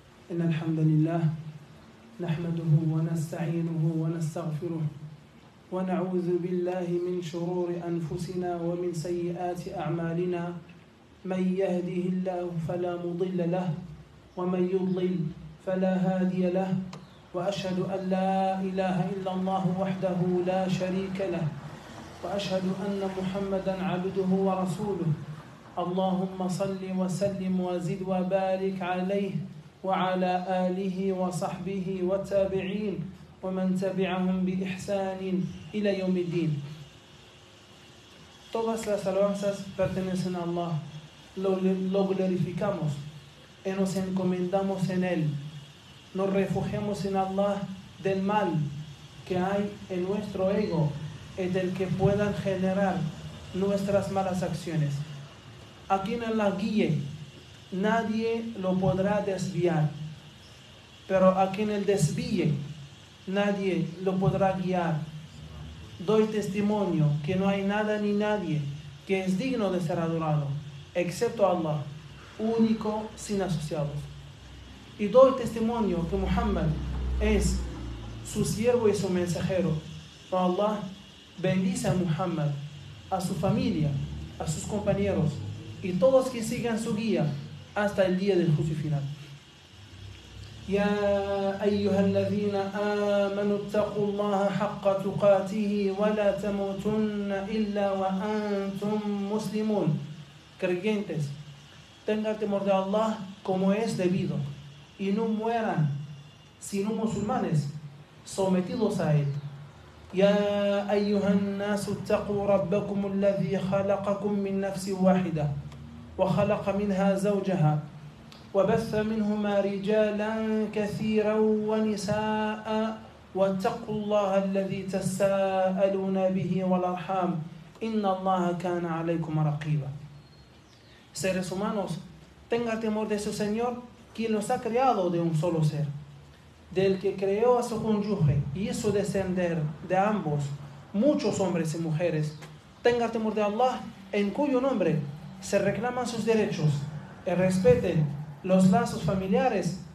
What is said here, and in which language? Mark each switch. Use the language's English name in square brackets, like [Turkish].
[Arabic] إن الحمد لله نحمده ونستعينه ونستغفره ونعوذ بالله من شرور أنفسنا ومن سيئات أعمالنا، من يهده الله فلا مضل له ومن يضلل فلا هادي له، وأشهد أن لا إله إلا الله وحده لا شريك له، وأشهد أن محمدًا عبده ورسوله. اللهم صلِّ وسلِّم وزِد وبارِك عليه وعلى آله وصحبه والتابعين ومن تبعهم بإحسان إلى يوم الدين. [Spanish] Todas las alabanzas pertenecen a Allah. Lo glorificamos y nos encomendamos en Él. Nos refugiamos en Allah del mal que hay en nuestro ego y del que puedan generar nuestras malas acciones. A quien Allah guíe, nadie lo podrá desviar. Pero a quien Él desvíe, nadie lo podrá guiar. Doy testimonio que no hay nada ni nadie que es digno de ser adorado, excepto Allah, único, sin asociados. Y doy testimonio que Muhammad es su siervo y su mensajero. Allah bendice a Muhammad, a su familia, a sus compañeros y todos que sigan su guía hasta el día del juicio final. [Arabic] يا أيها الذين آمنوا اتقوا الله حق تقاته ولا تموتن إلا وأنتم مسلمون. [Spanish] Creyentes, tengan temor de Allah como es debido y no mueran sino musulmanes sometidos a Él. [Arabic] يا أيها الناس اتقوا ربكم الذي خلقكم من نفس واحدة وخلق منها زوجها وبث منهما رجالا كثيرا ونساء واتقوا الله الذي تساءلون به والأرحام إن الله كان عليكم رقيبا. [Spanish] Seres humanos, tenga temor de su Señor, quien los ha creado de un solo ser, del que creó a su cónyuge y hizo descender de ambos muchos hombres y mujeres. Tenga temor de Allah, en cuyo nombre se reclaman sus derechos, y respeten los lazos familiares.